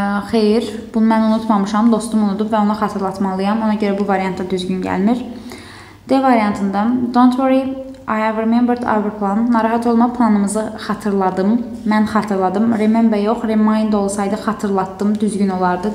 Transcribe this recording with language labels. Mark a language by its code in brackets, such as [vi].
[az] Xeyr, bunu mən unutmamışam, dostum unudub və onu xatırlatmalıyam. Ona görə bu varianta düzgün gəlmir. D variantında, [en] don't worry, I have remembered our plan. [az] Narahat olma, planımızı xatırladım. Mən xatırladım. Remember yox, remind olsaydı xatırlatdım, düzgün olardı.